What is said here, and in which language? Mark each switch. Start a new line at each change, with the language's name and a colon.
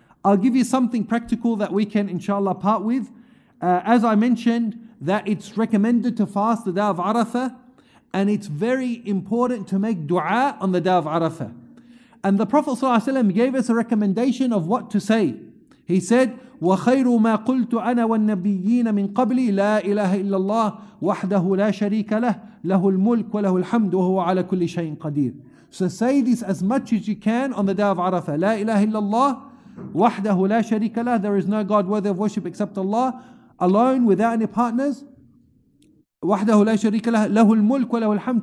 English: I'll give you something practical that we can, inshallah, part with. As I mentioned, that it's recommended to fast the day of Arafah, and it's very important to make dua on the day of Arafah. And the Prophet ﷺ gave us a recommendation of what to say. He said,
Arabic: وخير ما قلت أنا والنبيين من قبلي لا إله إلا الله وحده لا شريك له له الملك وله الحمد وهو على كل شيء قدير.
English: So say this as much as you can on the day of Arafah.
Arabic: لا إله إلا الله وحده لا شريك له.
English: There is no God worthy of worship except Allah, alone, without any partners.
Arabic: وحده لا شريك له له الملك وله الحمد.